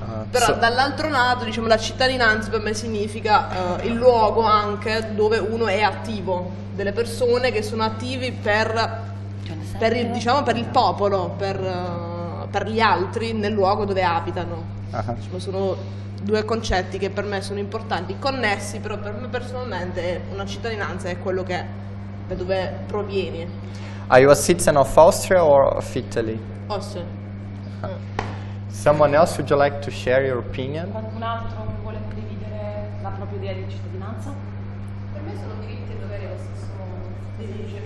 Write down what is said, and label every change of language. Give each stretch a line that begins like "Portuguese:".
Italian: Però dall'altro lato, diciamo, la cittadinanza per me significa il luogo anche dove uno è attivo, delle persone che sono attivi per il popolo, per gli altri nel luogo dove abitano. Diciamo, sono due concetti che per me sono importanti, connessi, però per me personalmente una cittadinanza è quello che è, da dove provieni.
English: Are you a citizen of Austria or of Italy? Austria. Someone else, would you like to share your opinion?
Italian: Qualcun altro vuole condividere la propria idea di cittadinanza? Per me sono diritti e doveri lo stesso.